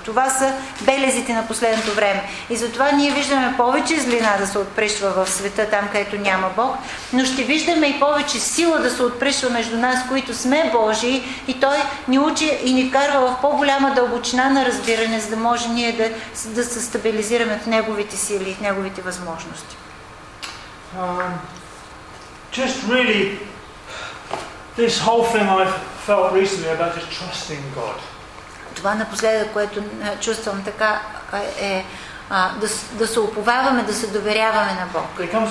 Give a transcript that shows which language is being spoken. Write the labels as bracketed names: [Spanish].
[Bulgarian] Това са белезите на последното време. И затова ние виждаме повече злина да се отпришва в света, там където няма Бог, но ще виждаме и повече сила да се отпришва между нас, които сме Божии, и Той ни учи и ни вкарва в по-голяма дълбочина на разбиране, за да може ние да се стабилизираме в Неговите сили и в Неговите възможности. [English] Just really this whole thing I've felt recently about just trusting God. [Bulgarian] Това напоследък, което чувствам така, е да се уповаваме, да се доверяваме на Бог.